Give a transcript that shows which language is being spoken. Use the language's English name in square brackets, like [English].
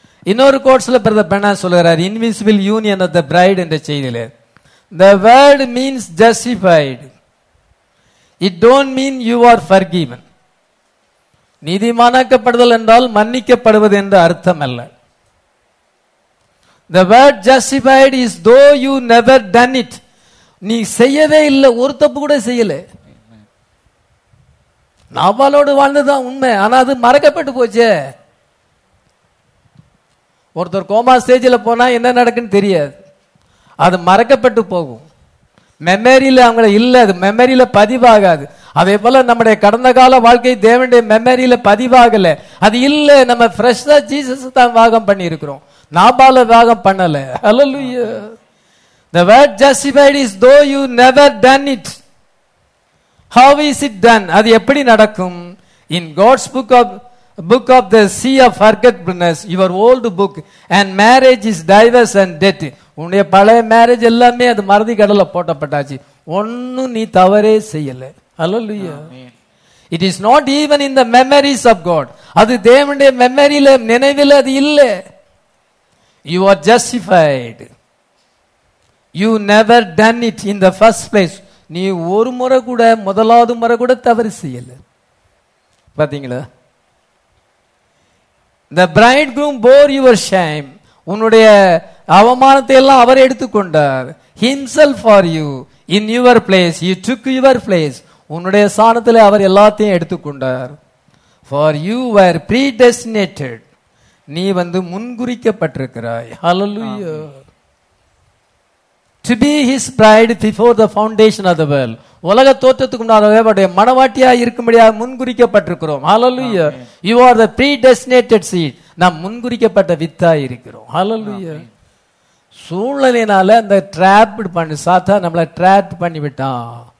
[Tamil] இன்னொரு கோட்ஸ்ல பிரதர் பெனா சொல்கிறார், invisible union of the bright என்ற செய்தியில், [English] The word means justified. It don't mean you are forgiven. [Tamil] நீதிமானாக்கப்படுதல் என்றால் மன்னிக்கப்படுவது என்று அர்த்தம் அல்ல. [English] The word justified is though you never done it. [Tamil] நீ செய்யவே இல்லை, ஒரு தப்பு கூட செய்யல. நாவாலோடு வாழ்ந்ததுதான் உண்மை, ஆனா அது மறக்கப்பட்டு போச்சே. ஒருத்தர் கோமா ஸ்டேஜில் போனா என்ன நடக்குன்னு தெரியாது, அது மறக்கப்பட்டு போகும். மெமரியில் அவங்கள இல்லை, அது மெமரியில் பதிவாகாது. அதே போல நம்முடைய கடந்த கால வாழ்க்கை தேவனுடைய மெமரியில் பதிவாகலை, அது இல்லை. நம்ம ஃப்ரெஷ்ஷாக ஜீசஸ் தான் வாகம் பண்ணியிருக்கிறோம், நாபால வாகம் பண்ணலை. ஹல்லேலூயா. [English] The word justified is though you never done it. How is it done? [Tamil] அது எப்படி நடக்கும்? [English] In God's book of the sea of forgetfulness, your old book and marriage is diverse and dead. [Tamil] உன்னுடைய பழைய marriage எல்லாமே அது மறதி கடல போட்டப்பட்டாச்சு, ஒன்னும் நீ தவறே செய்யல. [English] Hallelujah. It is not even in the memories of God. [Tamil] அது தேவனுடைய மெமரியில நினைவில் அது இல்லை. [English] You are justified. You never done it in the first place. [Tamil] நீ ஒரு முறை கூட, முதலாவது முறை கூட தவறு செய்யல. பாத்தீங்களா? [English] The bridegroom bore your shame. [Tamil] உன்னுடைய அவமானத்தை எல்லாம் அவர் எடுத்துக்கொண்டார். [English] Himself for you in your place. He took your place. [Tamil] உன்னுடைய சாணத்தில் அவர் எல்லாத்தையும் எடுத்துக்கொண்டார். [English] For you were predestinated. [Tamil] நீ வந்து முன்குறிக்கப்பட்டிருக்கிறாய். [English] Hallelujah. To be his bride before the foundation of the world. [Tamil] உலக தோற்றத்துக்கு முன்னாடியே மனவாட்டியா இருக்கும்படியாக முன்குறிக்கப்பட்டிருக்கிறோம். Hallelujah. [English] You are the predestinated seed. [Tamil] நாம் முன்குறிக்கப்பட்ட வித்தா இருக்கிறோம். [English] Hallelujah. [Tamil] சூழ்நிலையினால அந்த trap பண்ணி சாத்தா நம்மளை trap பண்ணி விட்டான்.